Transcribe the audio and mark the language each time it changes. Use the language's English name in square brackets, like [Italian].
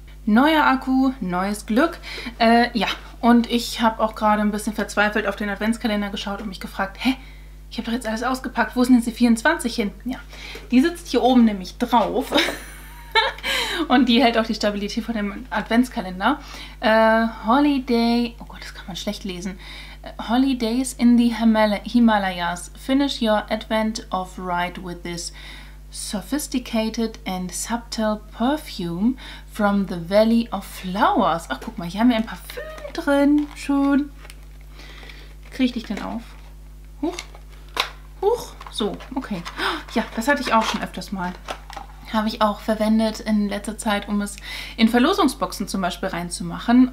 [German] Neuer Akku, neues Glück. Ja, und ich habe auch gerade ein bisschen verzweifelt auf den Adventskalender geschaut und mich gefragt, hä, ich habe doch jetzt alles ausgepackt, wo sind denn die 24 hin? Ja, die sitzt hier oben nämlich drauf. Und die hält auch die Stabilität von dem Adventskalender. Holiday, oh Gott, das kann man schlecht lesen. [English] Holidays in the Himalayas. Finish your advent of right with this sophisticated and subtle perfume from the Valley of Flowers. [German] Ach, guck mal, hier haben wir ein Parfüm drin. Schön. Kriege ich dich denn auf? Huch. So, okay. Ja, das hatte ich auch schon öfters mal. habe ich auch verwendet in letzter Zeit, um es in Verlosungsboxen zum Beispiel reinzumachen.